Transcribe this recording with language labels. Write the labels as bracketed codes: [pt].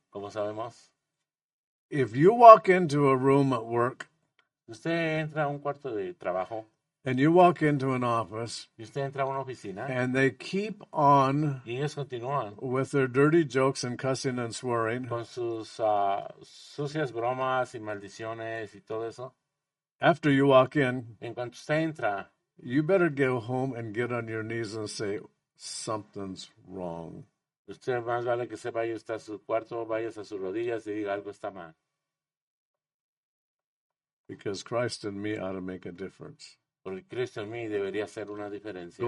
[es] como sabemos, [en] if you walk into a room at work, [es] usted entra a un cuarto de trabajo, [en] and you walk into an office, [es] usted entra a una oficina, [en] and they keep on [es] y ellos continúan, [en] with their dirty jokes and cussing and swearing, [es] con sus sucias bromas y maldiciones y todo eso, [en] after you walk in, [es] en cuanto usted entra, [en] you better go home and get on your knees and say, something's wrong. [es] Usted más vale que se vaya a su cuarto, vaya a sus rodillas y diga algo está mal. [en] Because Christ in me ought to make a difference. [es] Porque Cristo en mí debería hacer una diferencia.